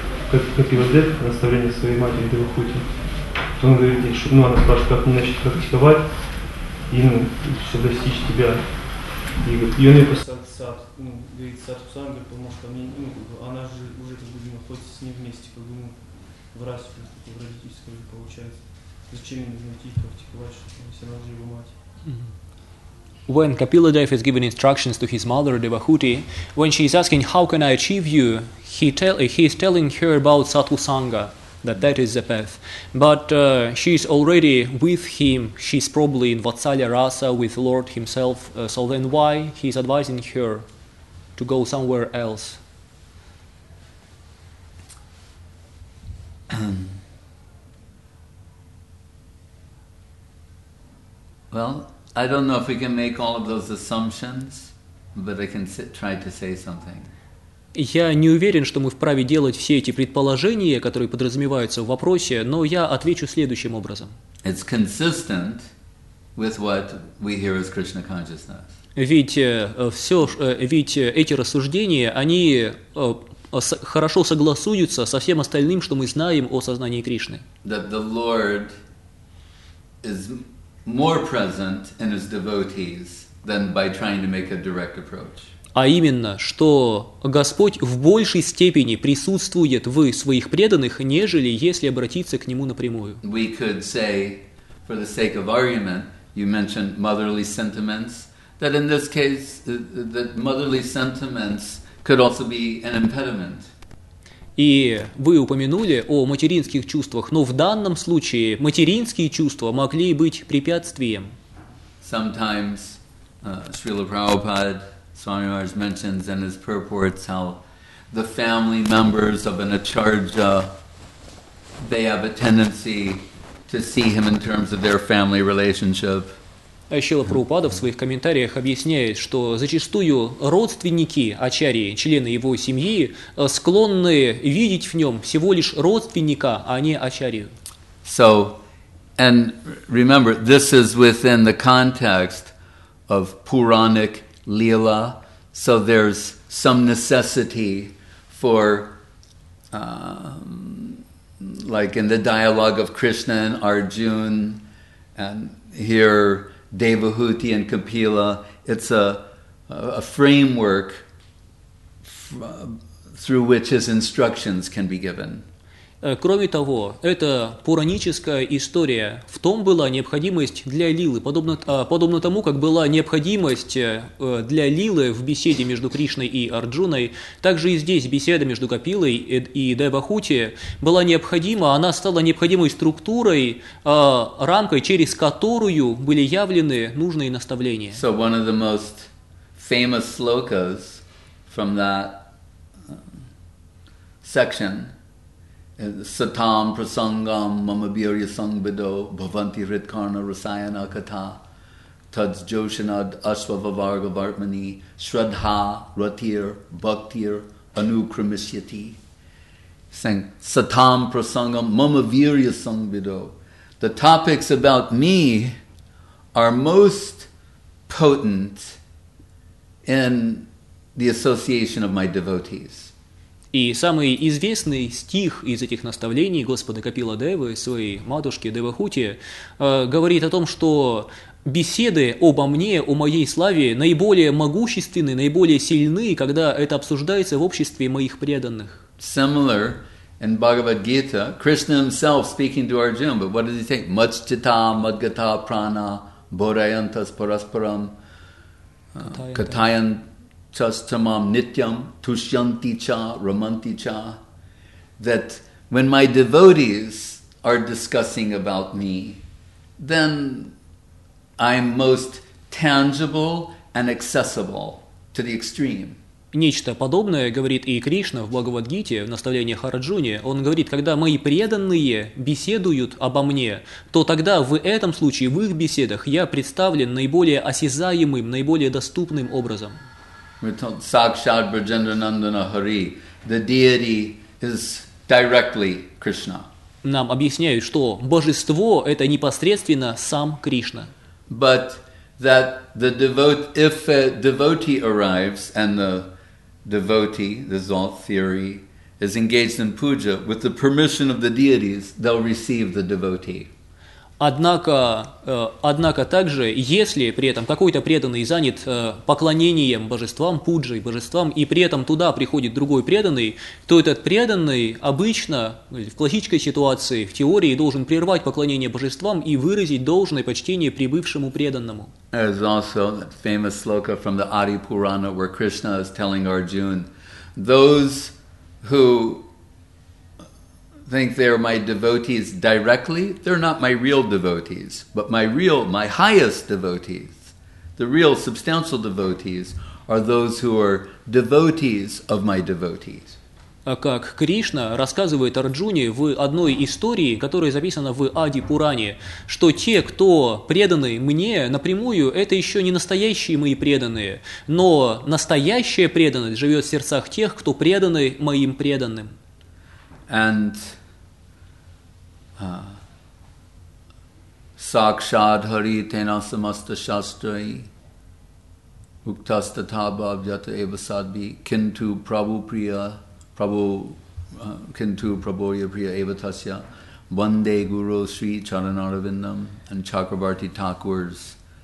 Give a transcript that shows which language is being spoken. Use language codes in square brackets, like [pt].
[ru] как его дед, наставление своей матери Девахути. Он говорит, ну, она спрашивает, как мне начать практиковать и, ну, все достичь тебя. И он ей сад, ну, говорит, сад в сам, говорит, поможет ко мне, ну, она же уже как бы находится с ней вместе, как бы, ну, в расе, как в родительской, получается. Зачем ему идти практиковать, что все равно же его мать. [en] When Kapiladev is giving instructions to his mother Devahuti, when she is asking how can I achieve you, he is telling her about Sattva Sangha, that is the path. But she is already with him, she is probably in Vatsalya Rasa with Lord himself, so then why he is advising her to go somewhere else? Well, I don't know if we can make all of those assumptions, but I can try to say something. [ru] Я не уверен, что мы вправе делать все эти предположения, которые подразумеваются в вопросе, но я отвечу следующим образом. [en] It's consistent with what we hear as Krishna consciousness. [ru] Ведь эти рассуждения, они хорошо согласуются со всем остальным, что мы знаем о сознании Кришны. [en] That the Lord is more present in his devotees than by trying to make a direct approach. [ru] А именно, что Господь в большей степени присутствует в своих преданных, нежели если обратиться к нему напрямую. [en] We could say, for the sake of argument, you mentioned motherly sentiments, that in this case, that motherly sentiments could also be an impediment. [ru] И вы упомянули о материнских чувствах, но в данном случае материнские чувства могли быть препятствием. [en] Sometimes Srila Prabhupada, Swami Maharaj, mentions in his purports how the family members of an acharya, they have a tendency to see him in terms of their family relationship. [ru] Шрила Прабхупада в своих комментариях объясняет, что зачастую родственники ачарьи, члены его семьи, склонны видеть в нем всего лишь родственника, а не ачарью. [en] So, and remember, this is within the context of Puranic Lila, so there's some necessity for, like in the dialogue of Krishna and Arjuna, and here Devahuti and Kapila, it's a framework through which his instructions can be given. [ru] Кроме того, эта пураническая история, в том была необходимость для Лилы, подобно тому, как была необходимость для Лилы в беседе между Кришной и Арджуной, также и здесь беседа между Капилой и Девахути была необходима, она стала необходимой структурой, рамкой, через которую были явлены нужные наставления. [en] So one of the most famous slokas from that section. [sa] Satam prasangam mama birya sangvido bhavanti ritkarna rasayana katha tads joshanad ashvavavarga vartmani shraddha ratir bhaktir anukramishyati. [en] Saying [sa] satam prasangam mama birya sangvido. [en] The topics about me are most potent in the association of my devotees. [ru] И самый известный стих из этих наставлений Господа Капиладевы, своей матушки Девахути, говорит о том, что беседы обо мне, о моей славе, наиболее могущественны, наиболее сильны, когда это обсуждается в обществе моих преданных. [en] Similar in Bhagavad Gita, Krishna himself speaking to Arjuna, but what does he say? [sa] Мачтита, мадгата, прана, бораянтас, параспарам, катаян. Chastamam nityam tushyanti cha ramanti cha, [en] that when my devotees are discussing about me, then I'm most tangible and accessible to the extreme. [ru] Нечто подобное говорит и Кришна в Бхагавадгите, в наставлениях Арджуне. Он говорит, когда мои преданные беседуют обо мне, то тогда в этом случае, в их беседах, я представлен наиболее осязаемым, наиболее доступным образом. [en] We're told [sa] Sakshad Brajendranandana Hari, [en] the deity is directly Krishna. [ru] Нам объясняют, что божество – это непосредственно сам Кришна. [en] But that the devotee, if a devotee arrives, and the devotee, this is all theory, is engaged in puja, with the permission of the deities, they'll receive the devotee. [ru] Однако также, если при этом какой-то преданный занят поклонением божествам, пуджей, божествам, и при этом туда приходит другой преданный, то этот преданный обычно в классической ситуации, в теории, должен прервать поклонение божествам и выразить должное почтение прибывшему преданному. [en] There is also that famous sloka from the Adi Purana, where Krishna is telling Arjuna, those who think they're my devotees directly, they're not my real devotees, but my highest devotees, the real substantial devotees, are those who are devotees of my devotees. [ru] Как Кришна рассказывает Арджуне в одной истории, которая записана в Ади Пуране, что те, кто преданы мне напрямую, это еще не настоящие мои преданные, но настоящая преданность живет в сердцах тех, кто преданы моим преданным. [sa] And sakshad hari tena samasta shastrai uktasta tabha abhyata eva sadbi kintu prabhu priya prabhu kintu prabhoya priya eva tasya vande guru sri charanaravindam [en] and Chakrabarti Thakur's